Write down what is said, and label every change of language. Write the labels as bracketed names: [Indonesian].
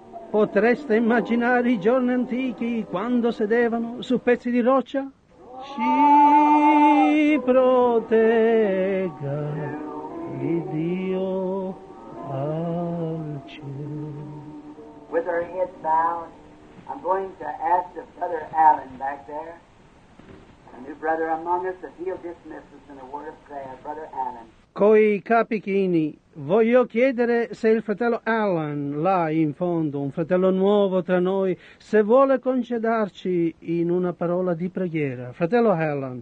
[Italian] Potreste immaginare i giorni antichi quando sedevano su pezzi di roccia? Ci protegga di Dio al cielo. [English] With our heads bowed, I'm going to ask the brother Allen back there, a new brother among us, if he'll dismiss us in a word of prayer, brother Allen. [Italian] Coi capi chini, voglio chiedere se il fratello Allen, là in fondo, un fratello nuovo tra noi, se vuole concedarci in una parola di preghiera. Fratello Allen.